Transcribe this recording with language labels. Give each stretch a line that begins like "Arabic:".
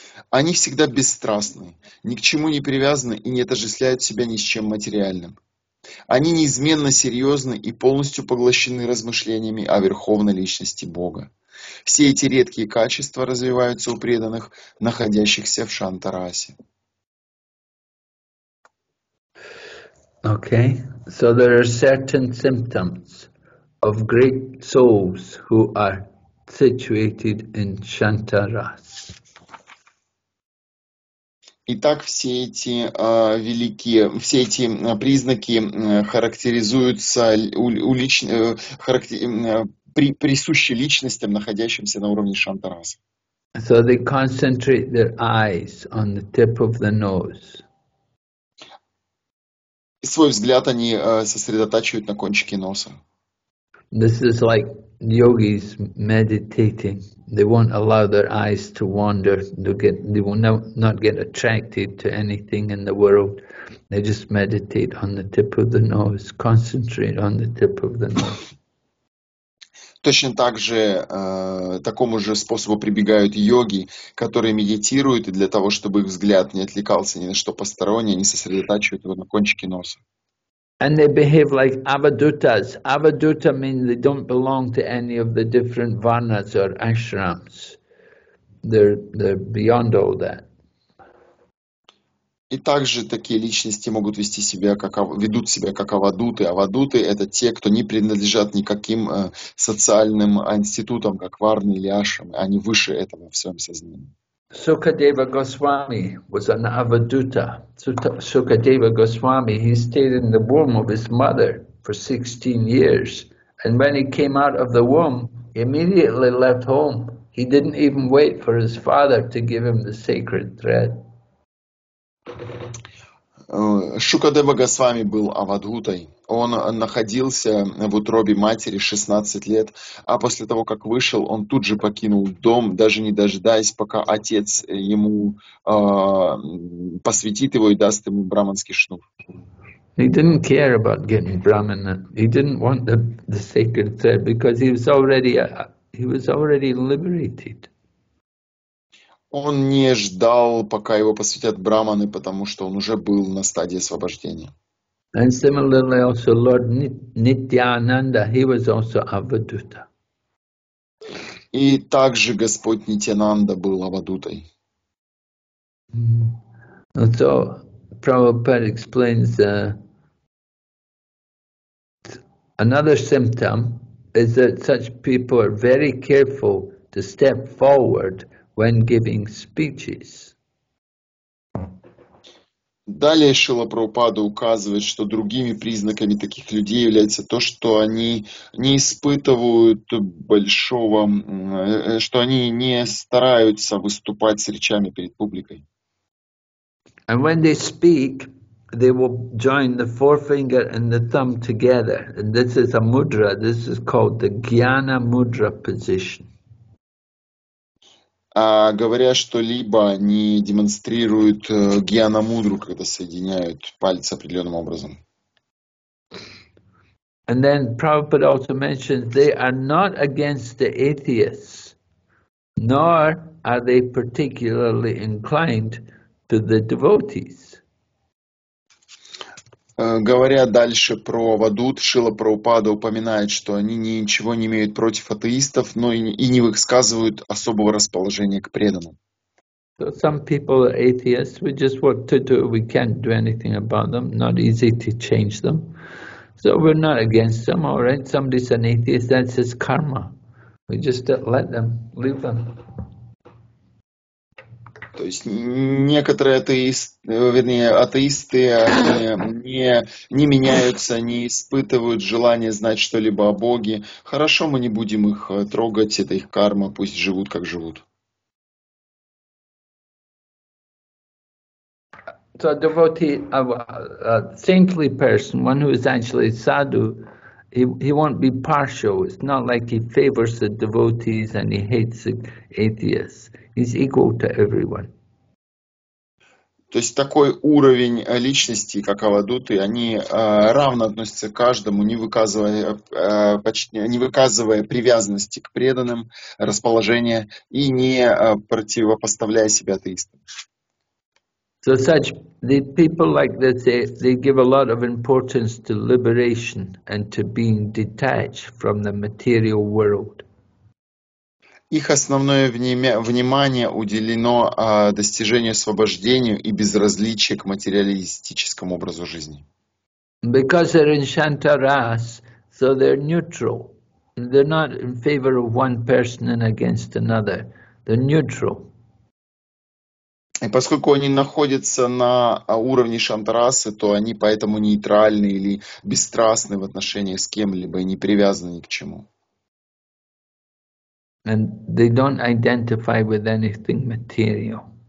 Russian: Они всегда бесстрастны, ни к чему не привязаны и не отождествляют себя ни с чем материальным. Они неизменно серьезны и полностью поглощены размышлениями о Верховной Личности Бога. Все эти редкие качества развиваются у преданных, находящихся в шантарасе.
English: Okay, so there are certain symptoms of great souls who are situated in Shantaras.
Russian: Итак, все эти признаки присущи личностям, находящимся на уровне Шантарас.
English: So they concentrate their eyes on the tip of the nose. Свой взгляд они сосредотачивают на кончике носа. This is like yogis meditating. They won't allow their eyes to wander. They will not get attracted to anything in the world. They just meditate on the tip of the nose, concentrate on the tip of the nose.
Russian: Точно так же такому же способу прибегают йоги, которые медитируют, и для того, чтобы их взгляд не отвлекался ни на что постороннее, они сосредотачивают его на кончике носа.
English: And they behave like avadutas. Avaduta means they don't belong to any of the different varnas or ashrams. They're beyond all that.
Russian: И также такие личности могут ведут себя как авадуты. Авадуты — это те, кто не принадлежат никаким социальным институтам, как варны или ашрамы. Они выше этого в своем сознании.
English: Сукадева Госвами was an avaduta. Сукадева Госвами, he stayed in the womb of his mother for 16 years. And when he came out of the womb, he immediately left home. He didn't even wait for his father to give him the sacred thread.
Russian: Шукадева Госвами был авадхутой. Он находился в утробе матери 16 лет, а после того, как вышел, он тут же покинул дом, даже не дожидаясь, пока отец ему посвятит его и даст ему брахманский шнур.
English: He didn't care about getting brahmana. He didn't want the sacred thread because he was already liberated.
Russian: Он не ждал, пока его посвятят брахманы, потому что он уже был на стадии освобождения.
English: And similarly also Lord Nityananda, he was also avaduta.
Russian: И также Господь Нитянанда был авадутой. Mm-hmm.
English: So Prabhupada explains another symptom is that such people are very careful to step forward when giving speeches.
Russian: Далее Шрила Прабхупада указывает, что другими признаками таких людей является то, что они не испытывают большого, что они не стараются выступать с речами перед публикой.
English: And when they speak, they will join the forefinger and the thumb together. And this is a mudra, this is called the Gyana Mudra position.
Russian: Говоря что-либо, они демонстрируют гьяна-мудру, когда соединяют пальцы определенным образом.
English: And then Prabhupada also mentions they are not against the atheists, nor are they particularly inclined to the devotees.
Russian: Говоря дальше про Авадут, Шрила Прабхупада упоминает, что они ничего не имеют против атеистов, но и не высказывают особого расположения к преданным.
English: So some people are atheists. We just what to do. We can't do anything about them. Not easy to change them. So we're not against them, all right? Somebody's an atheist. That's his karma. We just let them, leave them.
Russian: То есть некоторые атеисты не меняются, не испытывают желания знать что-либо о Боге. Хорошо, мы не будем их трогать, это их карма, пусть живут как живут.
English: So a devotee, a saintly person, one who is actually sadhu, he won't be partial. It's not like he favors the devotees and he hates the atheists. He's equal to everyone.
Russian: То есть такой уровень личности, как Авадуты, они равно относятся к каждому, не выказывая привязанности к преданным, расположения и не противопоставляя себя атеистам.
English: So such the people like this, they give a lot of importance to liberation and to being detached from the material world.
Russian: Их основное внимание уделено достижению освобождению и безразличию к материалистическому образу жизни.
English: Because they're in Shantaras, so they're neutral. They're not in favor of one person and against another. They're neutral.
Russian: И поскольку они находятся на уровне Шантарасы, то они поэтому нейтральны или бесстрастны в отношении с кем-либо и не привязаны ни к чему.
English: And they don't identify with anything material.